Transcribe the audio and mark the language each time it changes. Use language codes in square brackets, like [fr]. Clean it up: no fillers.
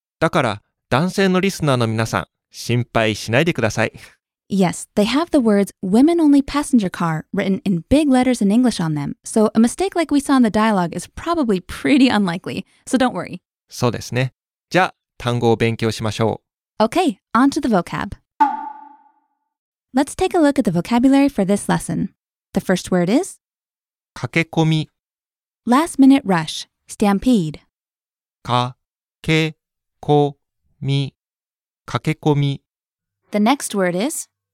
[ja] だから男性のリスナーの皆さん心配しないでください。 [en] Yes, they have the words women-only passenger car written in big letters in English on them. So a mistake like we saw in the dialogue is probably pretty unlikely. So don't worry. [ja] そうですね。じゃあ、単語を勉強しましょう。 [en] Okay, on to the vocab. Let's take a look at the vocabulary for this lesson. The first word is [ja] 駆け込み [en] Last minute rush, stampede. [ja] 駆け込み駆け込み [en] The next word is